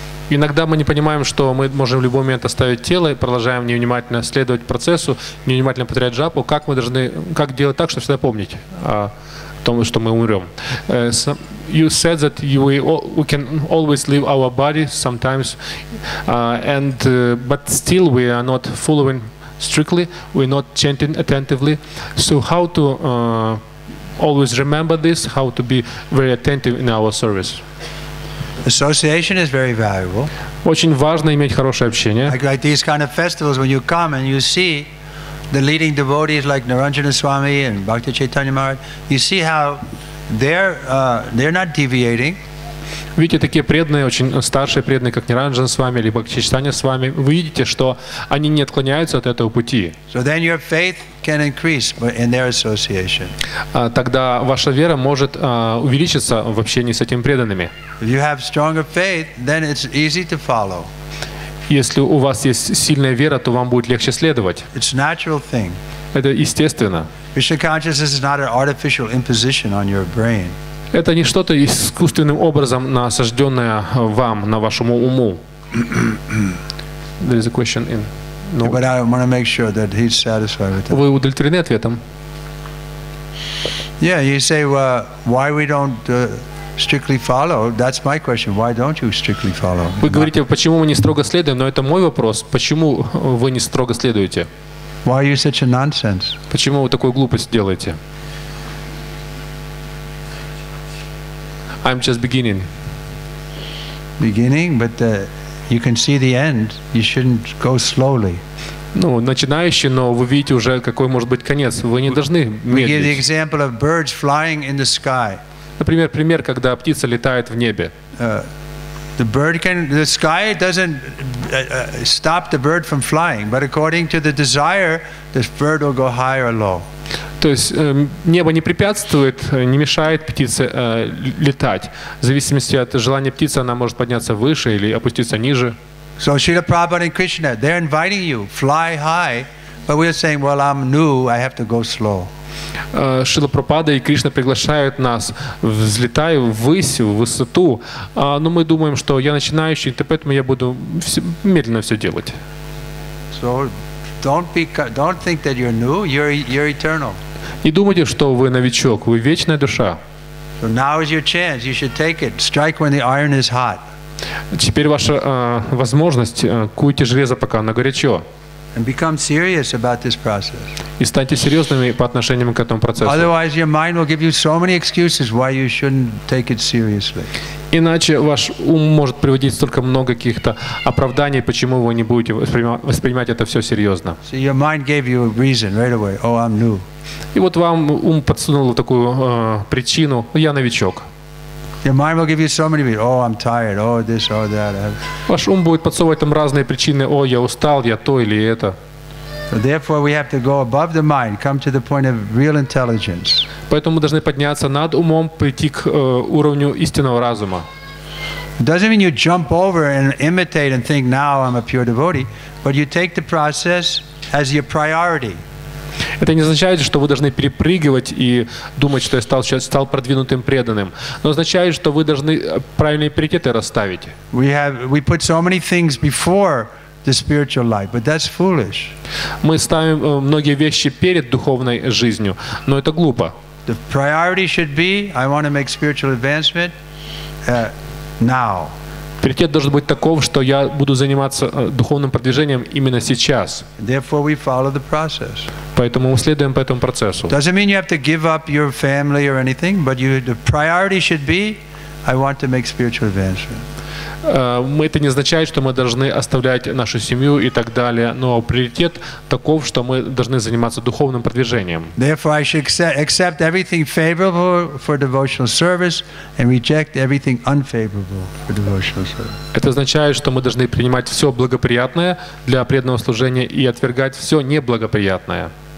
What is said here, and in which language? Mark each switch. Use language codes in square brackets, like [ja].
[ru] Иногда мы не понимаем, что мы можем в любой момент оставить тело и продолжаем невнимательно следовать процессу, невнимательно повторять джапу. Как мы должны, как делать так, чтобы всегда помнить о том, что мы умрем? [en] You said that we can always leave our body sometimes, but still we are not following strictly, we are not chanting attentively. So how to always remember this, how to be very attentive in our service? Association is very valuable. [ru] Очень важно иметь хорошее общение. [en] Like these kind of festivals, when you come and you see the leading devotees like Naranjana Swami and Bhakti Chaitanya Maharaj, you see how they're not deviating. [ru] Видите, такие преданные, очень старшие преданные, как Наранджан с вами или Бхакти Чайтанья с вами, вы видите, что они не отклоняются от этого пути. [en] So then your faith can increase in their association. [ru] Тогда ваша вера может увеличиться в общении с этими преданными. [en] If you have stronger faith, then it's easy to follow. [ru] Если у вас есть сильная вера, то вам будет легче следовать. [en] It's a natural thing. [ru] Это естественно. [en] Krishna consciousness is not an artificial imposition on your brain. [ru] Это не что-то искусственным образом насажденное вам, на вашему уму. [en] There is a question in. No. But I want to make sure that he's satisfied with that. [ru] Вы удовлетворены ответом? [en] Yeah, you say, why we don't strictly follow? That's my question. Why don't you strictly follow? [ru] Вы говорите, почему мы не строго следуем? Но это мой вопрос. Почему вы не строго следуете? [en] Why are you such a nonsense? [ru] Почему вы такую глупость делаете? [en] I'm just beginning. Beginning, but you can see the end. You shouldn't go slowly. [ru] Ну, начинающий, но вы видите уже, какой может быть конец. Вы не должны медлить. [en] We give the example of birds flying in the sky. [ru] Например, пример, когда птица летает в небе. [en] The bird can, the sky doesn't stop the bird from flying, but according to the desire, this bird will go high or low. [ru] То есть небо не препятствует, не мешает птице летать. В зависимости от желания птицы, она может подняться выше или опуститься ниже. [en] So Srila Prabhupada and Krishna, they're inviting you, fly high, but we're saying, well, I'm new, I have to go slow. [ru] Шрила Прабхупада и Кришна приглашают нас, взлетай ввысь, в высоту, но мы думаем, что я начинающий, поэтому я буду медленно все делать. [en] So, don't think that you're new, you're eternal. [ru] Не думайте, что вы новичок, вы вечная душа. [en] So now is your chance, you should take it, strike when the iron is hot. [ru] Теперь ваша возможность, куйте железо, пока оно горячо. [en] And become serious about this process. [ru] И станьте серьезными по отношению к этому процессу. [en] Otherwise, your mind will give you so many excuses why you shouldn't take it seriously. [ru] Иначе ваш ум может приводить столько много каких-то оправданий, почему вы не будете воспринимать это все серьезно. [en] So your mind gave you a reason right away. Oh, I'm new. [ru] И вот вам ум подсунул такую причину: я новичок. [en] Your mind will give you so many reasons. Oh, I'm tired. Oh, this, oh, that. [ru] Ваш ум будет подсовывать там разные причины. О, я устал, я то или это. [en] Therefore, we have to go above the mind, come to the point of real intelligence. [ru] Поэтому мы должны подняться над умом, прийти к уровню истинного разума. [en] Doesn't mean you jump over and imitate and think now I'm a pure devotee, but you take the process as your priority. [ru] Это не означает, что вы должны перепрыгивать и думать, что я стал сейчас стал продвинутым преданным, но означает, что вы должны правильные приоритеты расставить. [en] We put so many things before the spiritual life, but that's foolish. [ru] Мы ставим многие вещи перед духовной жизнью, но это глупо. [en] The priority should be I want to make spiritual advancement now. [ru] Приоритет должен быть таков, что я буду заниматься духовным продвижением именно сейчас. [en] Therefore we follow the process. [ru] Поэтому мы следуем по этому процессу. [en] Doesn't mean you have to give up your family or anything, but the priority should be I want to make spiritual advancement. [ru] Это не означает, что мы должны оставлять нашу семью и так далее, но приоритет таков, что мы должны заниматься духовным продвижением. [en] Therefore I should accept everything favorable for devotional service and reject everything unfavorable for devotional service. [ru] Это означает, что мы должны принимать все благоприятное для преданного служения и отвергать все неблагоприятное.